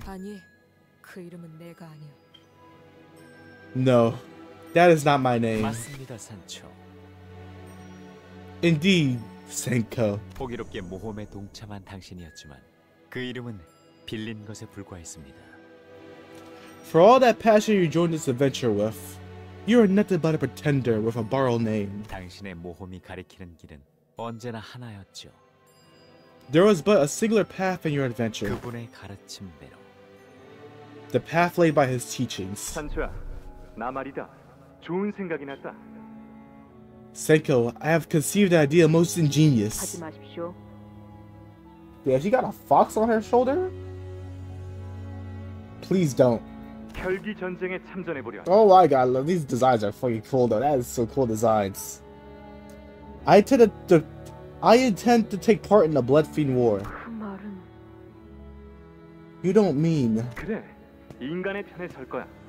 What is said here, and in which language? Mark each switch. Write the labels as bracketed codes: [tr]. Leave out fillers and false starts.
[ko] 아니, 그 이름은 내가 아니야. [en] No, that is not my name. [ko] 맞습니다, 산초. [en] Indeed. Senko. [ko] 호기롭게 모험에 동참한 당신이었지만 그 이름은 빌린 것에 불과했습니다. [en] For all that passion you joined this adventure with, you are nothing but a pretender with a borrowed name. [ko] 당신의 모험이 가리키는 길은 언제나 하나였죠. [en] There was but a singular path in your adventure. [ko] 그분의 가르침대로. [en] The path laid by his teachings. [ko] 산초야, 나 말이다. 좋은 생각이 났다. [en] Senko, I have conceived the idea most ingenious. [ko] 하지 마십시오. [en] Yeah, she got a fox on her shoulder? Please don't. [ko] 결기 전쟁에 참전해보려. [en] Oh my god, look, these designs are fucking cool though. That is so cool designs. I intend to take part in the Blood Fiend War. [ko] 그 말은... [en] You don't mean... [ko] 그래, 인간의 편에 설 거야.